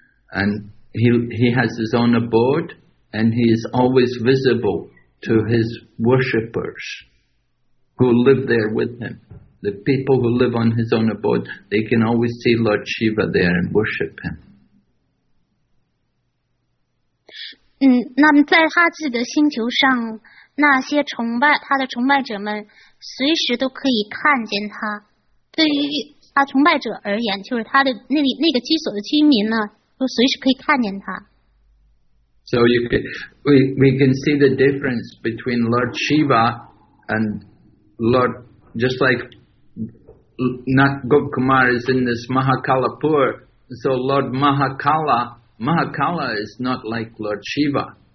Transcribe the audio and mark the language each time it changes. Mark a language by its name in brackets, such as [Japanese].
[English] And he has his own abode, and he is always visible to his worshippers who live there with him. The people who live on his own abode, they can always see Lord Shiva there and worship him. [Chinese] 那么在他自己的星球上，那些崇拜他的崇拜者们随时都可以看见他。对于他崇拜者而言，就是他的那个居所的居民呢，都随时可以看见他。 [English] So we can see the difference between Lord Shiva and Lord, just like Gop Kumar is in this Mahakalapur. So Lord Mahakala is not like Lord Shiva.